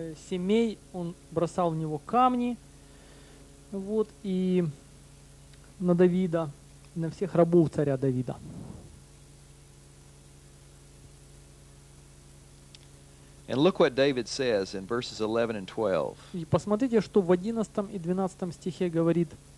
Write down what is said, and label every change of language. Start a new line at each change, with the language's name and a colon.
Russian: Семей он бросал в него камни, вот и на Давида, на всех рабов царя Давида.
English: And look what David says in verses 11 and 12.
Russian: И посмотрите, что в 11 и 12 стихе говорит.